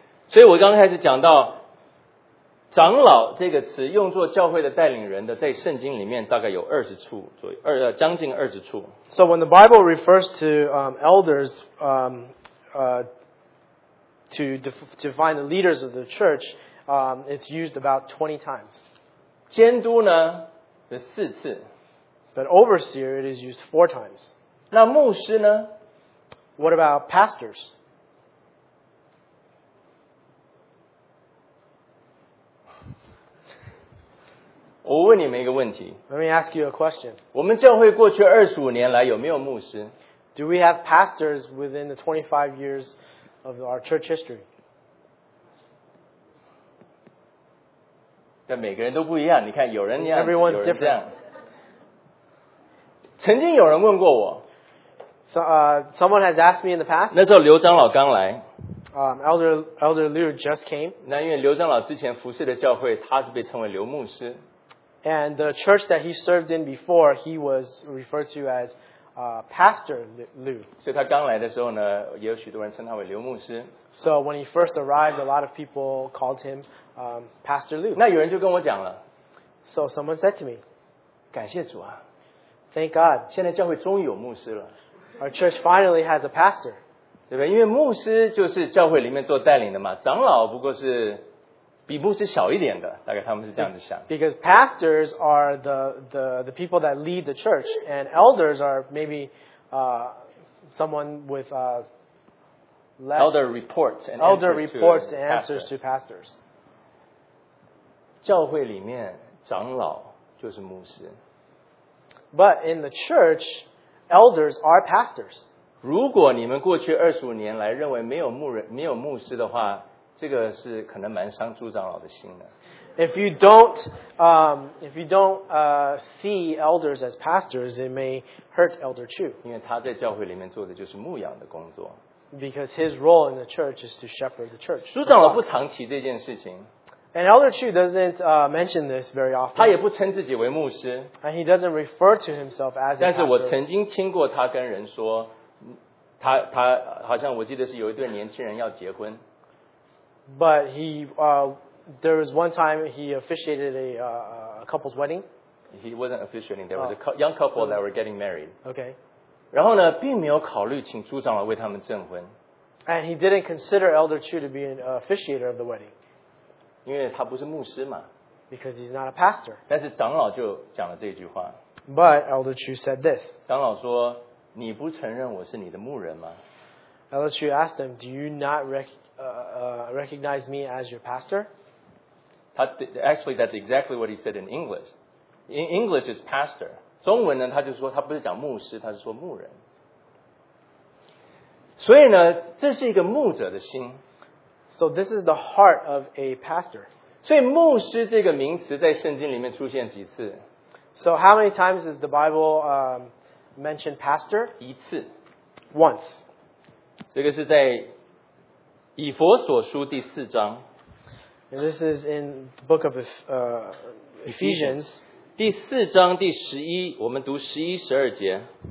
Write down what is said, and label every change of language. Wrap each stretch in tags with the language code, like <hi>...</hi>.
<zh>所以我刚开始讲到长老这个词用作教会的带领人的，在圣经里面大概有20处左右，将近20处。</zh> <en>So when the Bible refers to elders to define the leaders of the church, it's used about 20 times.</en> <zh>监督呢是4次。</zh> <en>But overseer, it is used 4 times.</en> <zh>那牧师呢？</zh> <en>What about pastors?</en> <zh>我问你们一个问题。</zh> <en>Let me ask you a question.</en> <zh>我们教会过去25年来有没有牧师？</zh> <en>Do we have pastors within the 25 years of our church history?</en> <zh>但每个人都不一样，你看有人那样，</zh> <en>Everyone's different.</en> <zh>曾经有人问过我。</zh> <en>Someone has asked me in the past.</en> <zh>那时候刘长老刚来。</zh> <en>Elder Liu just came.</en> <zh>那因为刘长老之前服事的教会，他是被称为刘牧师。</zh> <en>And the church that he served in before, he was referred to as Pastor Liu.</en> <zh>所以他刚来的时候呢，也有许多人称他为刘牧师。</zh> <en>So when he first arrived, a lot of people called him Pastor Liu.</en> <zh>那有人就跟我讲了。</zh> <en>So someone said to me,</en> <zh>感谢主啊。</zh> <en>Thank God.</en> <zh>现在教会终于有牧师了。</zh> <en>Our church finally has a pastor.</en> <zh>对不对？因为牧师就是教会里面做带领的嘛，长老不过是比牧师小一点的，大概他们是这样子想。</zh> <en>Because pastors are the people that lead the church, and elders are maybe someone with elder reports and answers to pastors.</en> <zh>教会里面长老就是牧师。</zh> <en>But in the church, elders are pastors.</en> <zh>如果你们过去25年来认为没有牧师的话，这个是可能蛮伤朱长老的心的。</zh> <en>If you don't see elders as pastors, it may hurt Elder Chu.</en> <zh>因为他在教会里面做的就是牧养的工作。</zh> <en>Because his role in the church is to shepherd the church.</en> <zh>朱长老不常提这件事情。</zh> <en>And Elder Chu doesn't mention this very often.</en> <zh>他也不称自己为牧师。</zh> <en>And he doesn't refer to himself as a pastor.</en> <zh>但是我曾经听过他跟人说，他好像我记得是有一对年轻人要结婚。</zh> <en>But he, there was one time he officiated a couple's wedding. He wasn't officiating. There was a young couple that were getting married. Okay.</en> <zh>然后呢，并没有考虑请朱长老为他们证婚。</zh> <en>And he didn't consider Elder Chu to be an officiator of the wedding.</en> <zh>因为他不是牧师嘛。</zh> <en>Because he's not a pastor.</en> <zh>但是长老就讲了这句话。</zh> <en>But Elder Chu said this.</en> <zh>长老说，你不承认我是你的牧人吗？</zh> <en>Elishu asked them, "Do you not recognize me as your pastor?" Actually, that's exactly what he said in English. In English, it's pastor.</en> <zh>中文呢，他就说他不是讲牧师，他是说牧人。所以呢，这是一个牧者的心。</zh> <en>So this is the heart of a pastor.</en> <zh>所以牧师这个名词在圣经里面出现几次？</zh> <en>So how many times does the Bible mention pastor?</en> <zh>一次。</zh> <en>Once.</en> <zh>这个是在以弗所书第四章。</zh> <en>This is in the book of Ephesians.</en> <zh>第四章第十一，我们读十一、十二节。</zh>